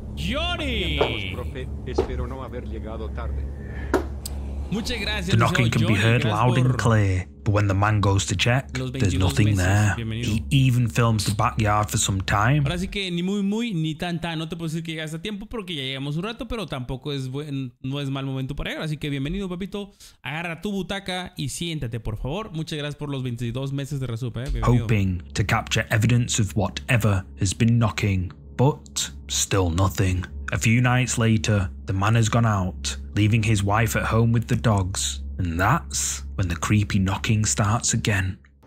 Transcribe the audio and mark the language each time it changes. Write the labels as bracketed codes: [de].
[es] ¡Johnny! Espero no haber llegado tarde. Muchas gracias. [en] The knocking can be heard loud and clear, but when the man goes to check, there's nothing there. He even films the backyard for some time. [es] Ahora sí que ni muy muy ni tan tan. No te puedo decir que llegas a tiempo porque ya llegamos un rato, pero tampoco es buen, no es mal momento para llegar. Así que bienvenido, papito. Agarra tu butaca y siéntate, por favor. Muchas gracias por los 22 meses de resupe. [en] Hoping to capture evidence of whatever has been knocking, but still nothing. A few nights later, the man has gone out, leaving his wife at home with the dogs. And that's when the creepy knocking starts again.